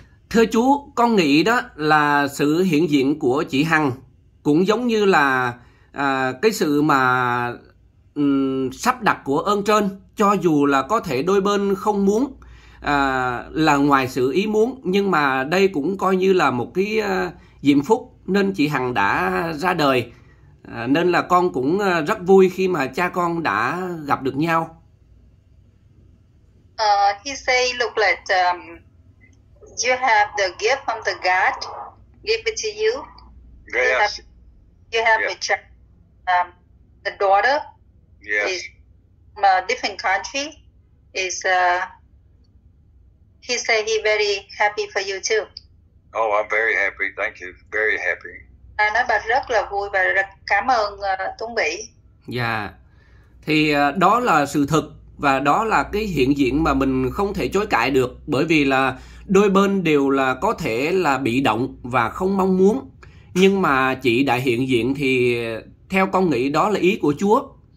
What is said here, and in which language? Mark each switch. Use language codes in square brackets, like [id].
[vi] Thưa chú, con nghĩ đó là sự hiện diện của chị Hằng cũng giống như là cái sự mà sắp đặt của ơn trên, cho dù là có thể đôi bên không muốn. Là ngoài sự ý muốn, nhưng mà đây cũng coi như là một cái diệm phúc nên chị Hằng đã ra đời, nên là con cũng rất vui khi mà cha con đã gặp được nhau. [en] He say, look like you have the gift from the God, give it to you. Yes. You have a child, a daughter, Yes. is from a different country. Is he say he very happy for you too. Oh, I'm very happy. Thank you. Very happy. [vi] Anh nói bà rất là vui và rất cảm ơn Tuấn Bỉ. Thì đó là sự thực và đó là cái hiện diện mà mình không thể chối cãi được, bởi vì là đôi bên đều là có thể là bị động và không mong muốn, nhưng mà chị đã hiện diện thì theo con nghĩ đó là ý của Chúa.